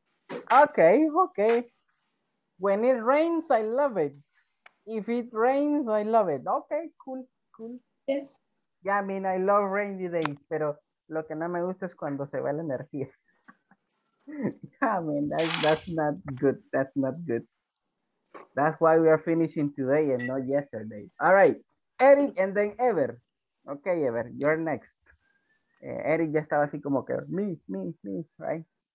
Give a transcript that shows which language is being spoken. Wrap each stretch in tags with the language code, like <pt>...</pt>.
<en>Okay, okay. When it rains, I love it. If it rains, I love it. Okay, cool, cool. Yes. Yeah, I mean, I love rainy days,</en> <es>pero lo que no me gusta es cuando se va la energía.</es> <en>I mean, that's not good. That's not good. That's why we are finishing today and not yesterday. All right, Eric and then Ever. Okay, Ever, you're next.</en> <es>Eric ya estaba así como que, me, right?</es>